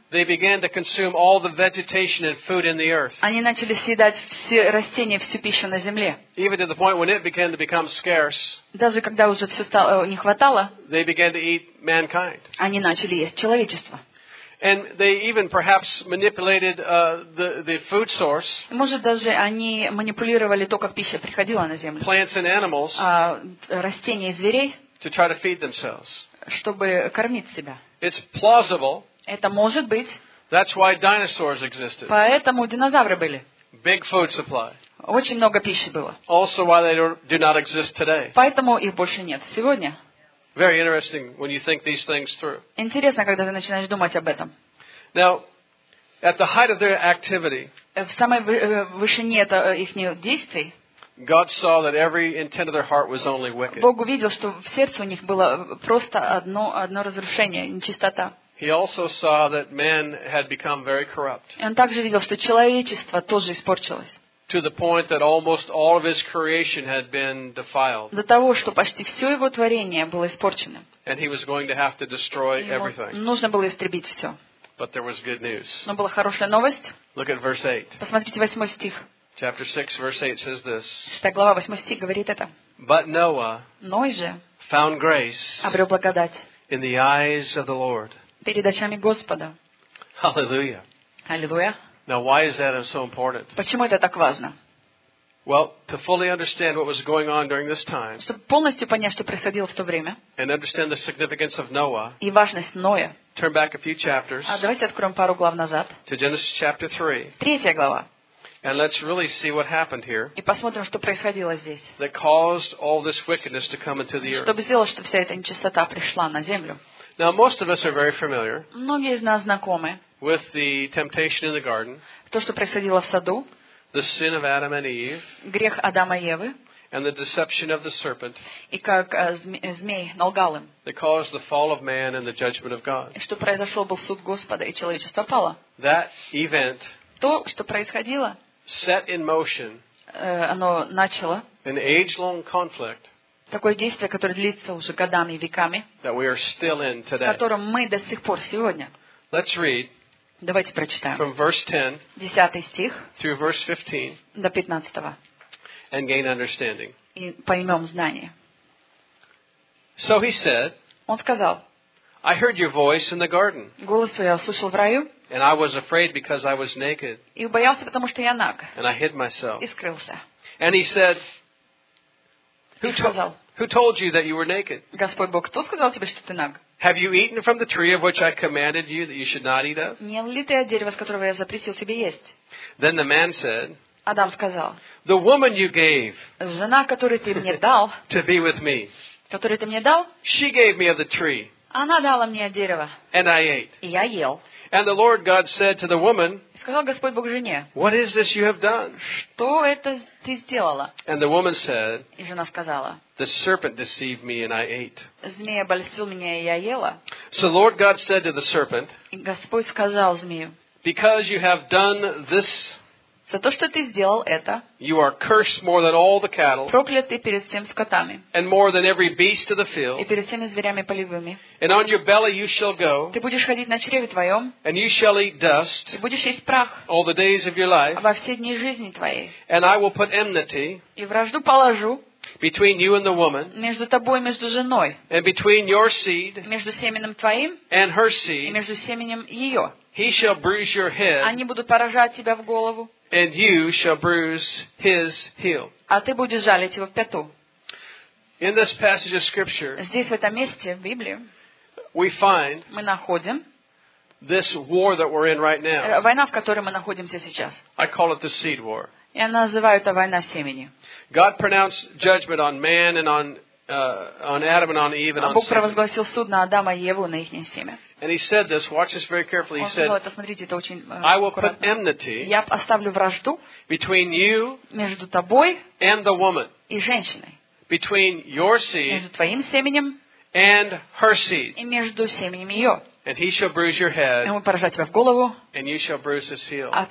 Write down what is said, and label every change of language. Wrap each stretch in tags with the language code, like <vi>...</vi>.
<en>They began to consume all the vegetation and food in the earth.</en> <ru>Они начали съедать все растения, всю пищу на земле.</ru> <en>Even to the point when it began to become scarce.</en> <ru>Даже когда уже все стало не хватало.</ru> <en>They began to eat mankind.</en> <ru>Они начали есть человечество.</ru> <en>And they even perhaps manipulated the food source.</en> <ru>Может даже они манипулировали то, как пища приходила на землю.</ru> <en>Plants and animals.</en> <ru>Растения и зверей.</ru> <en>To try to feed themselves.</en> <ru>Чтобы кормить себя.</ru> <en>It's plausible.</en> <ru>Это может быть.</ru> <en>That's why dinosaurs existed.</en> <ru>Поэтому динозавры были.</ru> <en>Big food supply.</en> <ru>Очень много пищи было.</ru> <en>Also why they do not exist today.</en> <ru>Поэтому их больше нет сегодня.</ru> <en>Very interesting when you think these things through.</en> <ru>Интересно, когда ты начинаешь думать об этом.</ru> <en>Now, at the height of their activity,</en> <ru>в самой вышине их действий,</ru> <en>God saw that every intent of their heart was only wicked.</en> <ru>Бог увидел, что в сердце у них было просто одно разрушение, нечистота.</ru> <en>He also saw that man had become very corrupt.</en> <ru>И он также видел, что человечество тоже испортилось.</ru> <en>To the point that almost all of his creation had been defiled.</en> <ru>До того, что почти все его творение было испорчено.</ru> <en>And he was going to have to destroy everything.</en> <ru>Нужно было истребить все.</ru> <en>But there was good news.</en> <ru>Но была хорошая новость.</ru> <en>Look at verse 8.</en> <ru>Посмотрите 8 стих.</ru> <en>Chapter 6, verse 8 says this.</en> <ru>Глава 8 стих говорит это.</ru> <en>But Noah,</en> <ru>Ной же,</ru> <en>found grace,</en> <ru>обрел благодать,</ru> <en>in the eyes of the Lord,</en> <ru>перед очами Господа.</ru> <en>Hallelujah. Hallelujah. Now, why is that so important?</en> <ru>Почему это так важно?</ru> <en>Well, to fully understand what was going on during this time,</en> <ru>чтобы полностью понять, что происходило в то время,</ru> <en>and understand the significance of Noah,</en> <ru>и важность Ноя,</ru> <en>turn back a few chapters,</en> <ru>давайте откроем пару глав назад,</ru> <en>to Genesis chapter 3,</en> <ru>третья глава.</ru> <en>And let's really see what happened here.</en> <ru>И посмотрим, что происходило здесь.</ru> <en>That caused all this wickedness to come into the earth.</en> <ru>Чтобы сделало, чтобы вся эта нечистота пришла на землю.</ru> <en>Now most of us are very familiar.</en> <ru>Многие из нас знакомы.</ru> <en>With the temptation in the garden.</en> <ru>То, что происходило в саду.</ru> <en>The sin of Adam and Eve.</en> <ru>Грех Адама и Евы.</ru> <en>And the deception of the serpent.</en> <ru>И как змей налгал им.</ru> <en>That caused the fall of man and the judgment of God.</en> <ru>И что произошло, был суд Господа, и человечество пало.</ru> <en>That event.</en> <ru>То, что происходило.</ru> <en>Set in motion.</en> <ru>Оно начало.</ru> <en>An age-long conflict.</en> <ru>Такое действие, которое длится уже годами и веками.</ru> <en>That we are still in today.</en> <ru>Которым мы до сих пор сегодня.</ru> <en>Let's read.</en> <ru>Давайте прочитаем.</ru> <en>From verse 10.</en> <ru>10 стих.</ru> <en>Through verse 15.</en> <ru>До 15.</ru> <en>And gain understanding.</en> <ru>И поймем знание.</ru> <en>So he said.</en> <ru>Он сказал.</ru> <en>I heard your voice in the garden.</en> <ru>Голос твой я услышал в раю.</ru> <en>And I was afraid because I was naked.</en> <ru>И убоялся, потому что я наг.</ru> <en>And I hid myself.</en> <ru>И скрылся.</ru> <en>And he said.</en> <ru>Сказал,</ru> <en>who told you that you were naked?</en> <ru>Господь Бог, кто сказал тебе, что ты наг?</ru> <en>Have you eaten from the tree of which I commanded you that you should not eat of?</en> <ru>Не ли ты от дерева, с которого я запретил тебе есть?</ru> <en>Then the man said.</en> <ru>Адам сказал.</ru> <en>The woman you gave.</en> <ru>Жена, которую ты мне дал.</ru> <en>To be with me.</en> <ru>Которую ты мне дал.</ru> <en>She gave me of the tree.</en> <ru>Она дала мне от дерева.</ru> <en>And I ate.</en> <ru>И я ел.</ru> <en>And the Lord God said to the woman.</en> <ru>Сказал Господь Бог жене.</ru> <en>What is this you have done?</en> <ru>Что это ты сделала?</ru> <en>And the woman said.</en> <ru>И жена сказала.</ru> <en>The serpent deceived me and I ate.</en> <ru>Змей обольстил меня и я ела.</ru> <en>So the Lord God said to the serpent.</en> <ru>И Господь сказал змею.</ru> <en>Because you have done this.</en> <ru>За то, что ты сделал это.</ru> <en>You are cursed more than all the cattle.</en> <ru>Проклят ты перед всем скотами.</ru> <en>And more than every beast of the field.</en> <ru>И перед всеми зверями полевыми.</ru> <en>And on your belly you shall go.</en> <ru>Ты будешь ходить на чреве твоем.</ru> <en>And you shall eat dust.</en> <ru>Ты будешь есть прах.</ru> <en>All the days of your life.</en> <ru>Во все дни жизни твоей.</ru> <en>And I will put enmity.</en> <ru>И вражду положу.</ru> <en>Between you and the woman.</en> <ru>Между тобой и между женой.</ru> <en>And between your seed.</en> <ru>Между семенем твоим.</ru> <en>And her seed.</en> <ru>И между семенем ее.</ru> <en>He shall bruise your head.</en> <ru>Они будут поражать тебя в голову.</ru> <en>And you shall bruise his heel.</en> <ru>А ты будешь жалить его в пяту.</ru> <en>In this passage of scripture,</en> <ru>здесь в этом месте в Библии,</ru> <en>we find</en> <ru>мы находим</ru> <en>this war that we're in right now.</en> <ru>Война, в которой мы находимся сейчас.</ru> <en>I call it the seed war.</en> <ru>Я называю это война семени.</ru> <en>God pronounced judgment on man and on Adam and on Eve and on Satan.</en> <ru>Бог провозгласил суд на Адама и Еву, на их семя.</ru> <en>And he said this, watch this very carefully. He said, I will put enmity between you and the woman. Between your seed and her seed. And he shall bruise your head and you shall bruise his heel.</en>